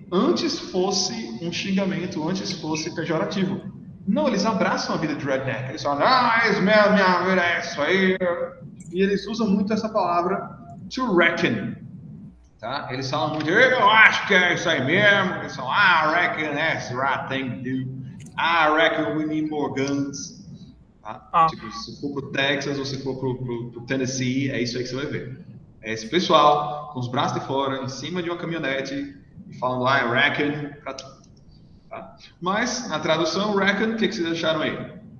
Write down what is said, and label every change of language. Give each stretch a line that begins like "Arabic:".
Portuguese: Antes fosse um xingamento, antes fosse pejorativo. Não, eles abraçam a vida de redneck. Eles falam, ah, isso mesmo, minha vida é isso aí. E eles usam muito essa palavra, to reckon. Tá? Eles falam muito, eu acho que é isso aí mesmo. Eles falam,
English: I reckon that's the right thing to do. I reckon we need more guns. Tá? Ah.
Portuguese: Tipo, se for pro Texas ou se for pro Tennessee, é isso aí que você vai ver. É esse pessoal, com os braços de fora, em cima de uma caminhonete, falando lá, reckon, pra tudo. Tá? Mas, na tradução, reckon, o que vocês acharam aí?